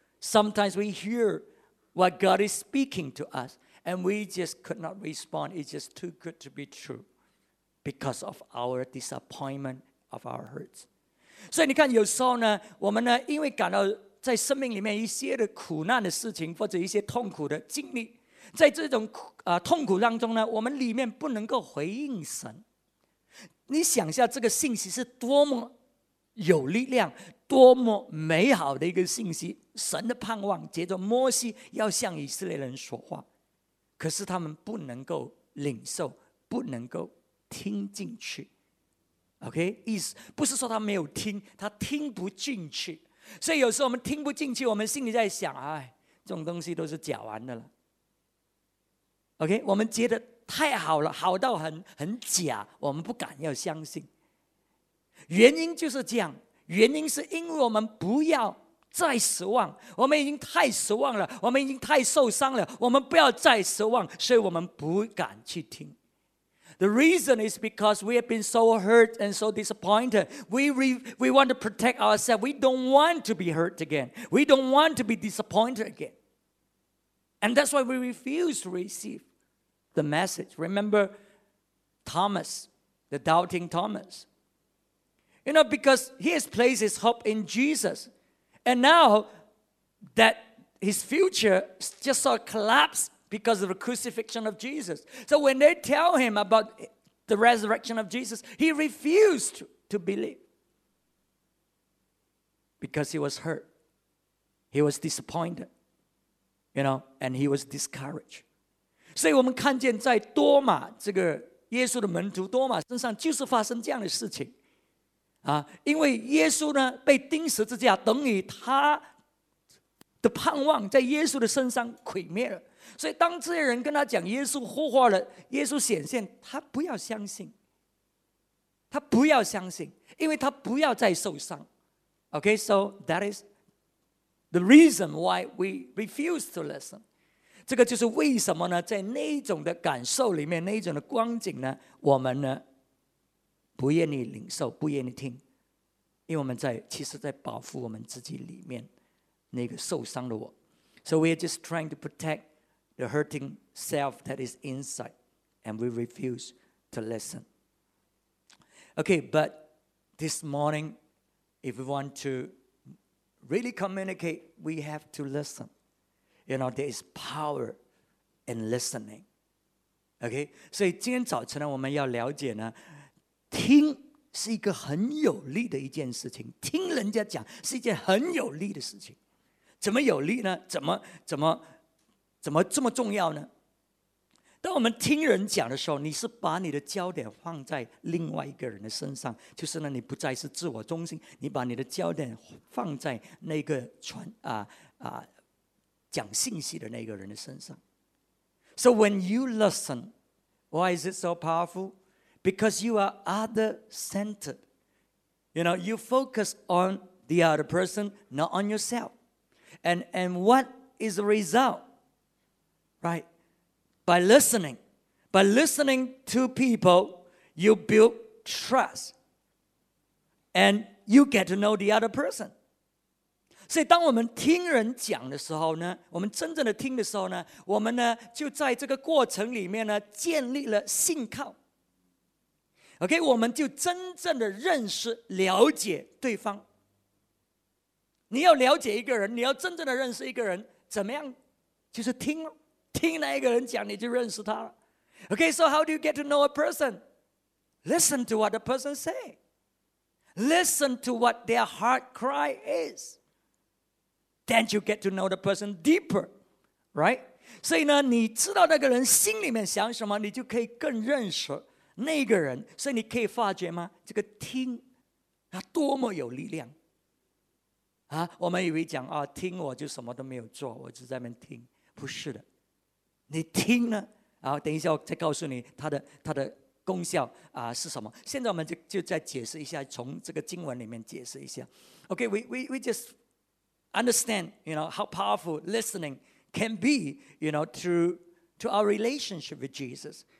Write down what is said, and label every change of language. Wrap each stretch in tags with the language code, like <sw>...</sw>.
<en>Sometimes we hear what God is speaking to us, and we just could not respond. It's just too good to be true because of our disappointment, of our hurts. So, you see, sometimes we feel that because of some suffering in life, or some painful experience.</en> <zh>在这种痛苦当中呢，我们里面不能够回应神。你想一下，这个信息是多么有力量、多么美好的一个信息。神的盼望借着摩西要向以色列人说话，可是他们不能够领受，不能够听进去。 OK， 意思不是说他没有听，他听不进去。所以有时候我们听不进去，我们心里在想：哎，这种东西都是假完的了。 OK， 我们觉得太好了，好到很假，我们不敢要相信。原因就是这样，原因是因为我们不要再失望，我们已经太失望了，我们已经太受伤了，我们不要再失望，所以我们不敢去听。</zh> <en>The reason is because we have been so hurt and so disappointed. We want to protect ourselves. We don't want to be hurt again. We don't want to be disappointed again. And that's why we refuse to receive the message. Remember Thomas, the doubting Thomas. You know, because he has placed his hope in Jesus. And now that his future just sort of collapsed because of the crucifixion of Jesus. So when they tell him about the resurrection of Jesus, he refused to believe. Because he was hurt. He was disappointed.You know, and he was discouraged.</en> <zh>所以我们看见在多马这个耶稣的门徒多马身上就是发生这样的事情啊，因为耶稣呢被钉十字架，等于他的盼望在耶稣的身上毁灭了。所以当这些人跟他讲耶稣复活了，耶稣显现，他不要相信，他不要相信，因为他不要再受伤。</zh> <en>OK, so that is the reason why we refuse to listen.</en> <zh>这个就是为什么呢，在那种的感受里面，那种的光景呢，我们呢不愿意领受，不愿意听，因为我们在其实在保护我们自己里面那个受伤的我。</zh> <en>So we are just trying to protect the hurting self that is inside, and we refuse to listen. Okay, but this morning, if we want to really communicate, we have to listen. You know, there is power in listening.</en> <zh>Okay, so 今天早晨呢，我们要了解呢，听是一个很有力的一件事情，听人家讲是一件很有力的事情。怎么有力呢？怎么这么重要呢？当我们听人讲的时候，你是把你的焦点放在另外一个人的身上，就是呢，你不再是自我中心，你把你的焦点放在那个讲信息的那个人的身上。</zh> <en>So when you listen, why is it so powerful? Because you are other-centered. You know, you focus on the other person, not on yourself. And what is the result? Right, by listening to people, you build trust, and you get to know the other person.</en> <zh>所以，当我们听人讲的时候呢，我们真正的听的时候呢，我们呢就在这个过程里面呢建立了信靠。 OK, 我们就真正的认识、了解对方。你要了解一个人，你要真正的认识一个人，怎么样？就是听了。听那一个人讲，你就认识他了。</zh> <en>Okay, so how do you get to know a person? Listen to what the person say. Listen to what their heart cry is. Then you get to know the person deeper, right?</en> <zh>所以呢，你知道那个人心里面想什么，你就可以更认识那个人。所以你可以发觉吗？这个听，它多么有力量啊！我们以为讲啊，听我就什么都没有做，我就在那边听，不是的。你听呢，啊，等一下我再告诉你它的功效啊是什么。现在我们就再解释一下，从这个经文里面解释一下。</zh> <en>OK, we just understand, you know, how powerful listening can be, you know, to our relationship with Jesus.</en>